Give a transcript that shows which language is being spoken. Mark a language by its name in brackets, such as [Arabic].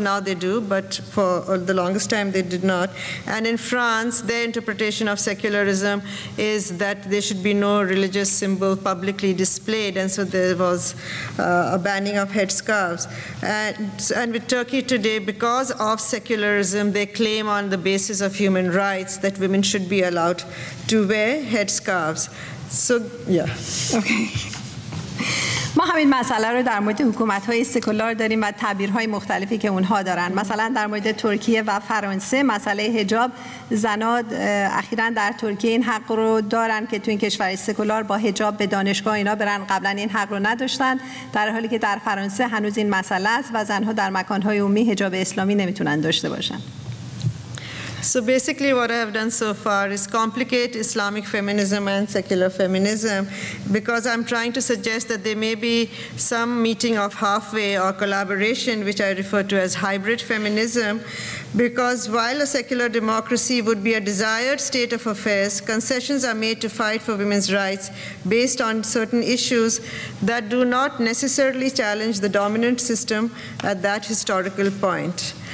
[English] Now they do, but for the longest time they did not. And in France, their interpretation of secularism is that there should be no religious symbol publicly displayed, and so there was a banning of headscarves. And with Turkey today, because of secularism, they claim on the basis of human rights that women should be allowed to wear headscarves. So, yeah. Okay. [Persian] ما همین مسئله رو در مورد حکومت‌های سکولار داریم و تعبیرهای مختلفی که اونها دارن. مثلا در مورد ترکیه و فرانسه مسئله حجاب زنان اخیراً در ترکیه این حق رو دارن که تو این کشور سکولار با حجاب به دانشگاه اینا برن، قبلا این حق رو نداشتن، در حالی که در فرانسه هنوز این مسئله است و زنها در مکان‌های عمومی حجاب اسلامی نمیتونن داشته باشن. [English] So basically what I have done so far is complicate Islamic feminism and secular feminism, because I'm trying to suggest that there may be some meeting of halfway or collaboration, which I refer to as hybrid feminism, because while a secular democracy would be a desired state of affairs, concessions are made to fight for women's rights based on certain issues that do not necessarily challenge the dominant system at that historical point.